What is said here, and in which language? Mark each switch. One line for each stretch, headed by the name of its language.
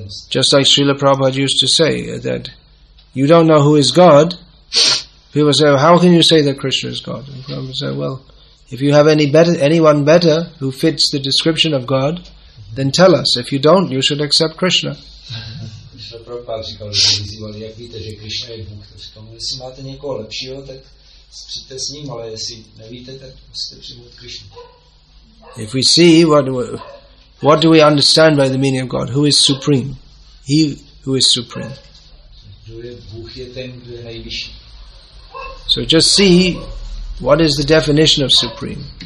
English: Just like Srila Prabhupada used to say, that you don't know who is God. People say, well, how can you say that Krishna is God? And Prabhupada would say, well, if you have anyone better who fits the description of God, then tell us. If you don't, you should accept Krishna.
Czech: Krishna Prabhupada říkal, že vyzývali, jak víte, že Krishna je Bůh. Říkám, jestli máte někoho lepšího, tak přijďte s ním, ale jestli nevíte, tak musíte přijmout Krishna.
English: If we see, what do we understand by the meaning of God? Who is supreme? He who is supreme.
Czech: Kdo je Bůh, je ten, kdo je nejvyšší.
English: So just see what is the definition of supreme.